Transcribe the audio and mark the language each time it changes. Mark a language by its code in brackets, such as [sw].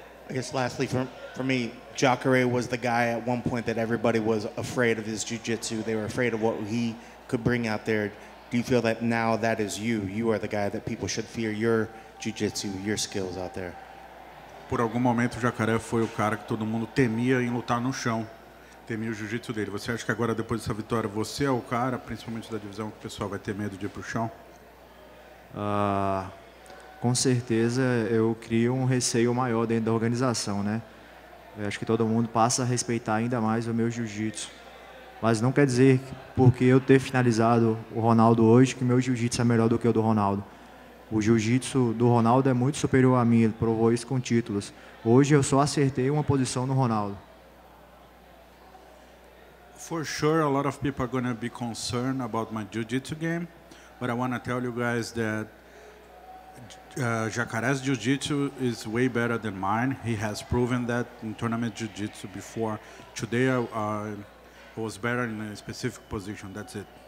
[en] I guess lastly for me, Jacare was the guy at one point that everybody was afraid of his jiu-jitsu. They were afraid of what he could bring out there. Do you feel that now that is you? You are the guy that people should fear your jiu-jitsu, your skills out there. [pt] Por algum momento, o Jacaré foi o cara que todo mundo temia em lutar no chão. Temia o jiu-jitsu dele. Você acha que agora, depois dessa vitória, você é o cara, principalmente da divisão, que o pessoal vai ter medo de ir pro chão? Com certeza, eu crio um receio maior dentro da organização, né? Eu acho que todo mundo passa a respeitar ainda mais o meu jiu-jitsu. Mas não quer dizer que porque eu ter finalizado o Ronaldo hoje que meu jiu-jitsu é melhor do que o do Ronaldo. O jiu-jitsu do Ronaldo é muito superior a mim, ele provou isso com títulos. Hoje eu só acertei uma posição no Ronaldo. [en] for sure a lot of people are going to be concerned about my jiu-jitsu game, but I want to tell you guys that Jacaré's jiu-jitsu is way better than mine. He has proven that in tournament jiu-jitsu before. Today I was better in a specific position. That's it.